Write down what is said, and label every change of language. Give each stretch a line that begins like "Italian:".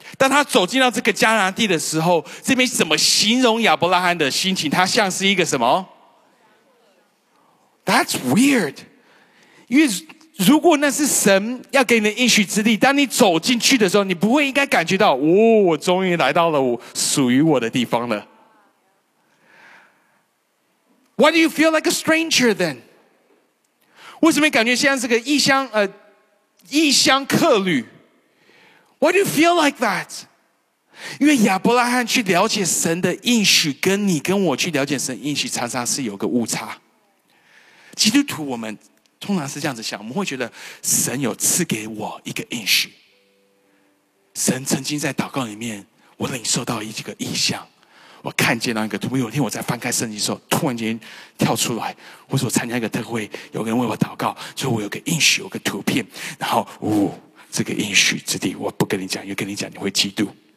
Chinese: 当他走进到这个迦南地的时候，这边怎么形容亚伯拉罕的心情？他像是一个什么？
English: That's weird.
Chinese: 因为如果那是神要给你的应许之地，当你走进去的时候，你不会应该感觉到，哦，我终于来到了我属于我的地方了。
English: Why do you feel like a stranger then?
Chinese: 为什么感觉像是个异乡客旅？
English: Why do you feel like that?
Chinese: 因为亚伯拉罕去了解神的应许，跟你跟我去了解神的应许常常是有个误差。基督徒我们通常是这样子想，我们会觉得神有赐给我一个应许，神曾经在祷告里面我领受到一个异象，我看见那个图，有一天我在翻开圣经的时候突然间跳出来，或是我参加一个特会，有个人为我祷告，所以我有个应许，有个图片，然后呜、哦，这个应许之地我不跟你讲，因为跟你讲你会嫉妒，